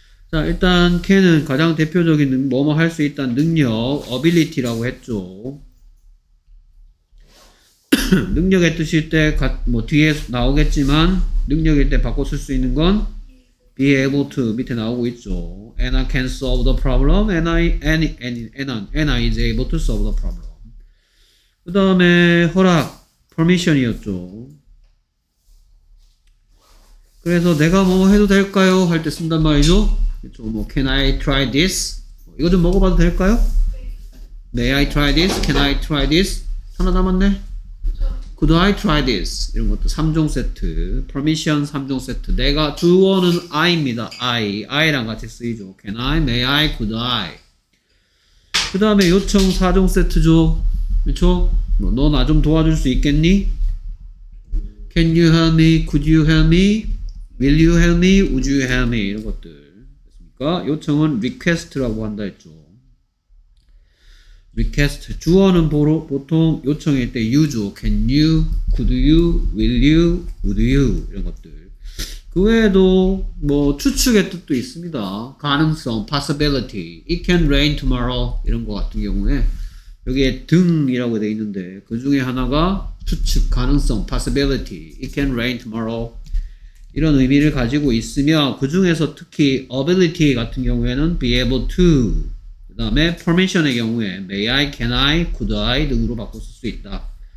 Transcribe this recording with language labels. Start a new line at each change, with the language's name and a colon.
Korean: 자, 일단 can은 가장 대표적인 뭐뭐 할 수 있다는 능력, ability라고 했죠. 능력의 뜻일 때 뭐 뒤에 나오겠지만 능력일 때 바꿔 쓸 수 있는 건 be able to 밑에 나오고 있죠.
English: And I can solve the problem. And I is able to solve the problem.
Korean: 그 다음에 허락, permission이었죠. 그래서 내가 뭐 해도 될까요? 할 때 쓴단 말이죠. 그렇죠. 뭐,
English: can I try this?
Korean: 이거 좀 먹어봐도 될까요?
English: May I try this? Can I try this?
Korean: 하나 남았네.
English: Could I try this?
Korean: 이런 것도 3종 세트. Permission 3종 세트. 내가 주어는 I입니다. I랑 같이 쓰이죠.
English: Can I? May I? Could I?
Korean: 그 다음에 요청 4종 세트죠. 그쵸? 뭐, 너 나 좀 도와줄 수 있겠니?
English: Can you help me? Could you help me? Will you help me? Would you help me?
Korean: 이런 것들. 그러니까 요청은 request라고 한다 했죠. request 주어는 보통 요청일 때 you죠.
English: can you, could you, will you, would you
Korean: 이런 것들. 그 외에도 뭐 추측의 뜻도 있습니다. 가능성, possibility,
English: it can rain tomorrow
Korean: 이런 것 같은 경우에 여기에 등이라고 돼 있는데 그 중에 하나가 추측, 가능성, possibility, it can rain tomorrow 이런 의미를 가지고 있으며 그 중에서 특히 ability 같은 경우에는 be able to 그 다음에 permission의 경우에
English: may I, can I, could I
Korean: 등으로 바꿔 쓸 수 있다.